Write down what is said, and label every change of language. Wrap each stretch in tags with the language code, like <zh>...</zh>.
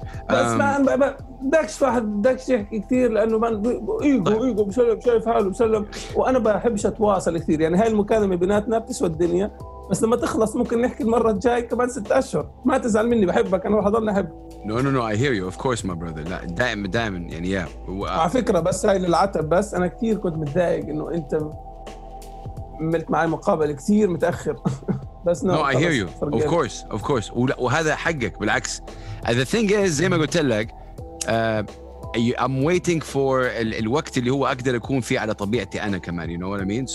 <ar>بس ما داكش واحد داكش يحكي كثير لأنه ما إيجو إيجو بسلم شايف حاله بسلم وأنا بحبش أتواصل كثير يعني هاي المكالمة بيناتنا بتسوى الدنيا بس لما تخلص ممكن نحكي المرة الجاي كمان ست أشهر ما تزعل مني بحبك أنا راح أضلني أحبك</ar> <en>No, I hear you, of course, my brother.</en> <ar>دائما يعني yeah. على فكرة بس هاي للعتب بس أنا كثير كنت متضايق إنه أنت عملت معي مقابلة كثير متأخر بس</ar> <en>no, I hear you,</en> <ar>فرجل.</ar> <en>of course.</en> <ar>وهذا حقك بالعكس</ar> <en>The thing is,</en> <ar>زي ما قلت لك</ar> <en>I'm waiting for</en> <ar>الوقت اللي هو أقدر أكون فيه على طبيعتي أنا كمان</ar> <en>You know what I mean?</en>